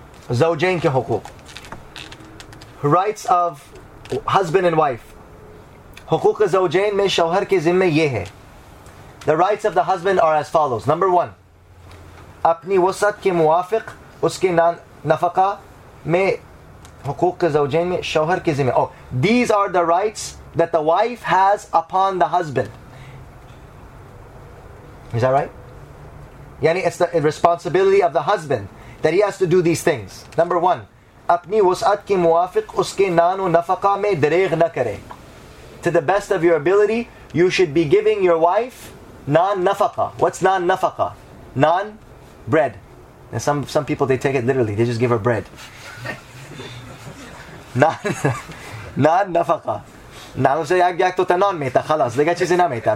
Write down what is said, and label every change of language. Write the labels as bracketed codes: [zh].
[ur] Zawjain ke huquq. [en] Rights of husband and wife. [ur] Huquq zawjain mein shauhar ke zimme ye hai. [en] The rights of the husband are as follows. Number one. [ur] اپنی وسعت کے موافق اس کے نفقہ میں حقوق کے زوجین میں شوہر کے ذمہ. [en] Oh, these are the rights that the wife has upon the husband. Is that right? Yani it's the responsibility of the husband that he has to do these things. Number one, [ur] اپنی وسعت کے موافق اس کے نان و نفقہ میں دریغ نہ کرے. [en] To the best of your ability, you should be giving your wife نان نفقہ. What's نان نفقہ? Naan bread. And some people, they take it literally. They just give her bread. Naan nafaka. Naan say, yak to ta naan meta, khalas. Liga chizi na meta.